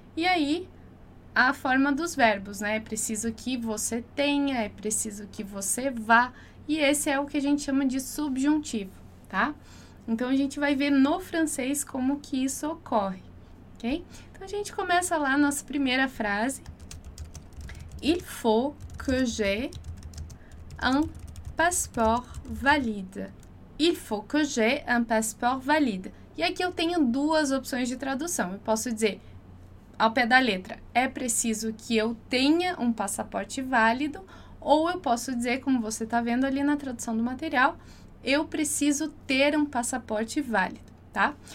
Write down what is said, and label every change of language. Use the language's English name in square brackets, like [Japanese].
[Portuguese] E aí, a forma dos verbos, né? É preciso que você tenha, é preciso que você vá. E esse é o que a gente chama de subjuntivo, tá? Então, a gente vai ver no francês como que isso ocorre, ok? Então, a gente começa lá a nossa primeira frase. [French] Il faut que j'ai un passeport valide. Il faut que j'ai un passeport valide. [Portuguese] E aqui eu tenho duas opções de tradução. Eu posso dizer, ao pé da letra, é preciso que eu tenha um passaporte válido, ou eu posso dizer, como você está vendo ali na tradução do material, eu preciso ter um passaporte válido. Tá?